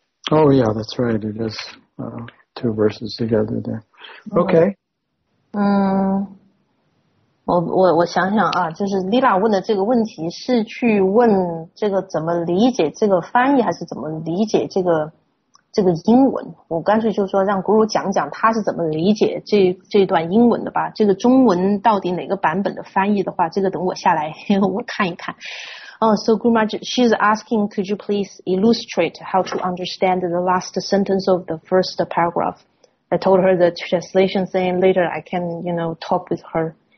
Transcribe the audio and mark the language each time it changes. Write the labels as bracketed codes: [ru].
[en] Oh, yeah, that's right. It is two verses together there. Okay. [zh] 我想想啊，就是 Lila 问的这个问题是去问这个怎么理解这个翻译，还是怎么理解这个英文？我干脆就说让 Guru 讲讲他是怎么理解这段英文的吧。这个中文到底哪个版本的翻译的话，这个等我下来我看一看。 [en] So Guru Maharaj, she's asking, could you please illustrate how to understand the last sentence of the first paragraph? I told her the translation, saying later I can, you know, talk with her.